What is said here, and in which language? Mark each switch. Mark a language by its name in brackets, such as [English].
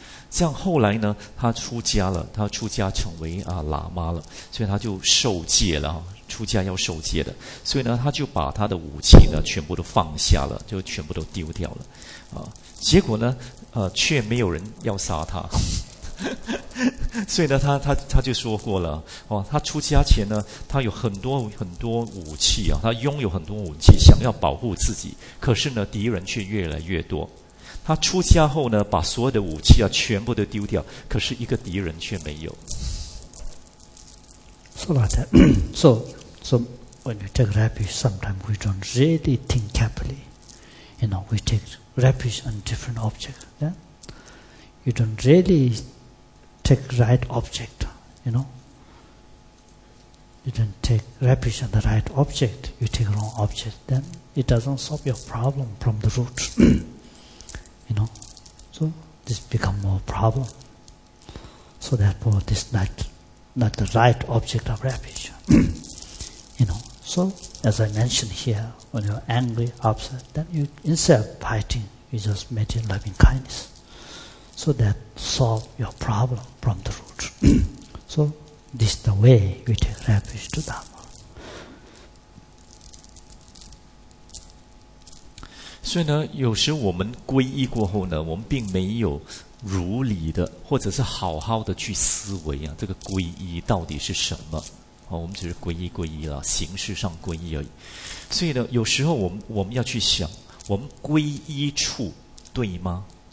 [Chinese] 这样后来呢，他出家了，他出家成为喇嘛了，所以他就受戒了，出家要受戒的，所以呢，他就把他的武器呢全部都放下了，就全部都丢掉了，结果呢，却没有人要杀他，所以呢，他就说过了，他出家前呢，他有很多很多武器啊，他拥有很多武器，想要保护自己，可是呢，敌人却越来越多。他出家后呢，把所有的武器啊全部都丢掉，可是一个敌人却没有。 [English] So like that. So when we take refuge, sometimes we don't really think carefully. You know, we take refuge on different objects. Yeah? You don't really take right object. You know, you don't take refuge on the right object. You take wrong object. Then it doesn't solve your problem from the root. You know, so this become more problem. So therefore, this not the right object of refuge. You know, so as I mentioned here, when you're angry, upset, then you instead of fighting, you just maintain loving kindness. So that solve your problem from the root. So this the way we take refuge to them. [Chinese] 所以呢，有时我们皈依过后呢，我们并没有如理的，或者是好好的去思维啊，这个皈依到底是什么？我们只是皈依了，形式上皈依而已。所以呢，有时候我们要去想，我们皈依处对吗？